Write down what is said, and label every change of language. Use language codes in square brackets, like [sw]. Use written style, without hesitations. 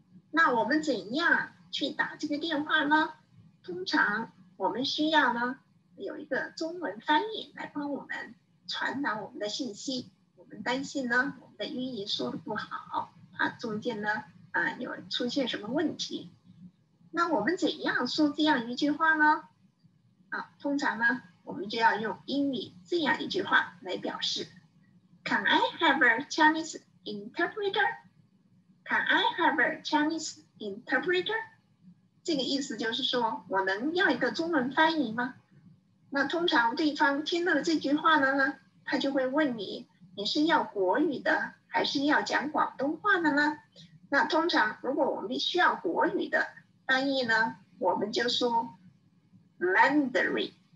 [zh] 那我们怎样去打这个电话呢？通常我们需要呢有一个中文翻译来帮我们传达我们的信息。我们担心呢我们的英语说的不好，怕中间呢有出现什么问题。那我们怎样说这样一句话呢？啊，通常呢我们就要用英语这样一句话来表示。 [en] Can I have a Chinese interpreter? Can I have a Chinese interpreter? [zh] 这个意思就是说，我能要一个中文翻译吗？那通常对方听到了这句话呢，他就会问你，你是要国语的，还是要讲广东话的呢？那通常如果我们需要国语的翻译呢，我们就说 Mandarin。